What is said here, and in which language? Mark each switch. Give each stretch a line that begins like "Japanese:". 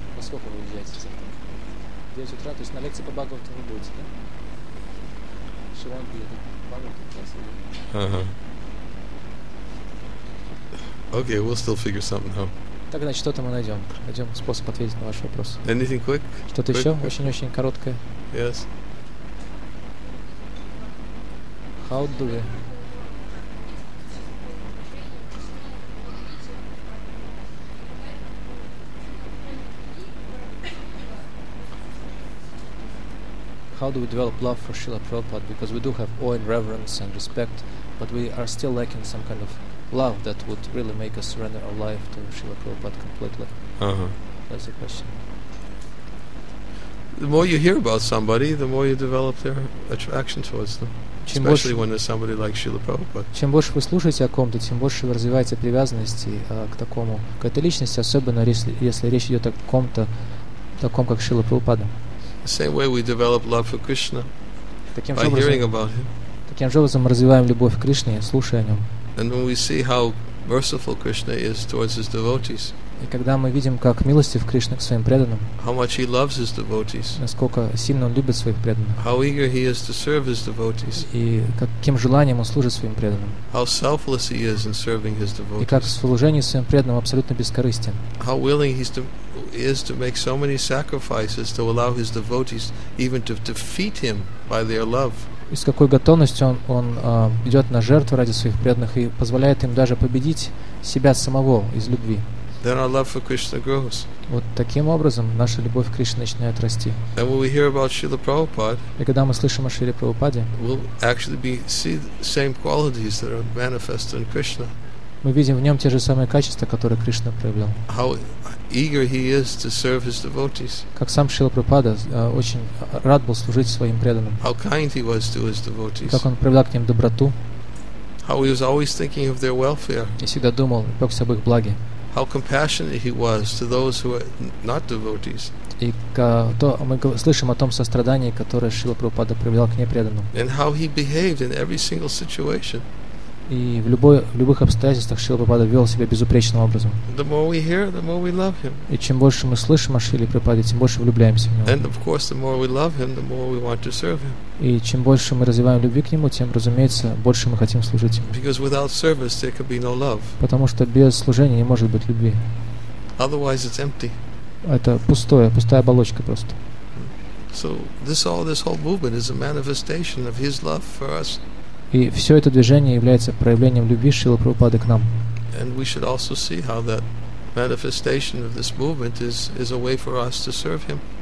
Russian: Во сколько вы уезжаете завтра? 9 утра, то есть на лекции по Бхагавату не будете, да?
English: She won't be at the Bhagavatam class. Okay, we'll still figure something out.
Russian: Так, значит, что-то мы найдем. Найдем способ ответить на ваш вопрос.
English: Anything quick?
Russian: Что-то
English: quick?
Russian: Еще? Очень-очень короткое.
English: Yes. How do we... How do we develop love for Srila Prabhupada? Because we do have awe and reverence and respect, but we are still lacking some kind of love that would really make us surrender our life to Srila Prabhupada completely. That's the question. The more you hear about somebody, the more you develop their attraction towards them. Especially when there's somebody like Srila Prabhupada.
Russian: Чем больше вы слушаете о ком-то, тем больше вы развиваете привязанности к такому, к этой личности, особенно если речь идет о ком-то, таком как Шрила Прабхупада.
English: The same way we develop love for Krishna by hearing about him.
Russian: Таким же образом мы развиваем любовь к Кришне, слушая о нем.
English: And when we see how merciful Krishna is towards his devotees.
Russian: И когда мы видим, как милостив Кришна к своим преданным.
English: How much he loves his devotees.
Russian: Насколько сильно он любит своих преданных.
English: How eager he is to serve his devotees.
Russian: И каким желанием он служит своим преданным.
English: How selfless he is in serving his devotees.
Russian: И как в служении своим преданным абсолютно бескорыстен.
English: How willing he is to make so many sacrifices to allow his devotees even to defeat him by their love.
Russian: И с какой готовностью он идет на жертву ради своих преданных и позволяет им даже победить себя самого из любви.
English: Then our love for Krishna grows.
Russian: Вот таким образом наша любовь к Кришне начинает расти.
English: And when we hear about Srila Prabhupada,
Russian: и когда мы слышим о Шриле Прабхупаде,
English: we'll actually see the same qualities that are manifest in Krishna.
Russian: Мы видим в нем те же самые качества, которые Кришна проявлял.
English: How eager he is to serve his devotees.
Russian: Как сам Шрила Прабхупада очень рад был служить своим преданным.
English: How kind he was to his devotees.
Russian: Как он проявлял к ним доброту.
English: How he was always thinking of their welfare.
Russian: И всегда думал, пекся об их благе.
English: How compassionate he was to those who are not devotees.
Russian: И то мы слышим о том сострадании, которое Шрила Прабхупада проявлял к непреданным.
English: And how he behaved in every single situation.
Russian: И в любых обстоятельствах Шрила Прабхупада вел себя безупречным образом.
English: The more we hear, the more we love him.
Russian: И чем больше мы слышим о Шриле Прабхупаде, тем больше влюбляемся в него.
English: And of course, the more we love him, the more we want to serve him.
Russian: И чем больше мы развиваем любви к нему, тем, разумеется, больше мы хотим служить ему.
English: Because without service, there could be no love.
Russian: Потому что без служения не может быть любви.
English: Otherwise, it's empty.
Russian: Это пустое, пустая оболочка просто.
English: So this whole movement is a manifestation of his love for us.
Russian: И все это движение является проявлением любви Шрилы Прабхупады к нам.
English: And we should also see how that manifestation of this movement is a way for us to serve him.